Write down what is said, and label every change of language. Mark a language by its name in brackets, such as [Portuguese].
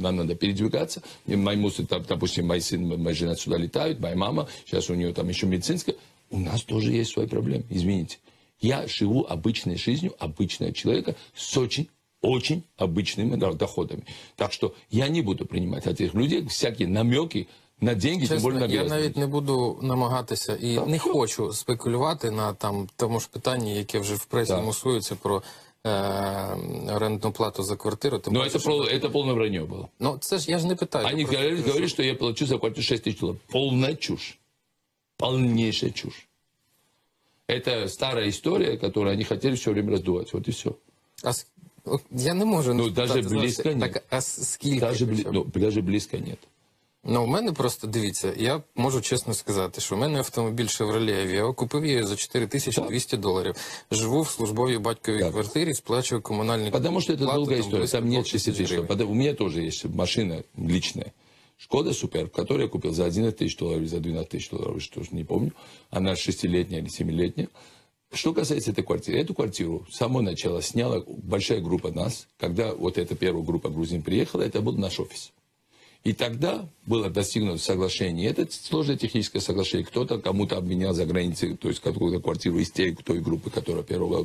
[Russian] Нам надо передвигаться, моя жена сюда летают, моя мама, сейчас у нее там еще медицинская, у нас тоже есть свои проблемы, извините. Я живу обычной жизнью, обычного человека с очень обычными доходами. Так что я не буду принимать от этих людей всякие намеки на деньги, честно, тем более на грязь. [Ukrainian] Я навіть не буду намагатися и так, не все. Хочу спекулювати на там, тому ж питанні, яке вже в пресі мусується про рентну плату за квартиру. [Russian] Ну, это полное вранье было. [Ukrainian] Ну, це ж, я ж не питаю. [Russian] Они говорят, что я плачу за квартиру 6 тысяч долларов. Полная чушь. Полнейшая чушь. Это старая история, которую они хотели все время раздувать. Вот и все. [Ukrainian] А Я не можу не сказати. Так, а скільки? [Russian] Даже близько нет. [Ukrainian] Ну, у мене просто, дивіться, я можу чесно сказати, що в мене автомобіль Chevrolet, я купив її за 4200 доларів. Живу в службовій батьковій квартирі, сплачую комунальні плати. Тому що це довга історія, там немає 6000. У мене теж є машина лічна. Шкода Суперб, яку я купив за 11 тисяч доларів, за 12 тисяч доларів, я теж не пам'ятаю. Вона 6-літня або 7-літня. [Russian] Что касается этой квартиры, эту квартиру с самого начала сняла большая группа нас, когда вот эта первая группа грузин приехала, это был наш офис. И тогда было достигнуто соглашение, это сложное техническое соглашение, кто-то кому-то обменял за границей, то есть какую-то квартиру из тех, той группы, которая первая была.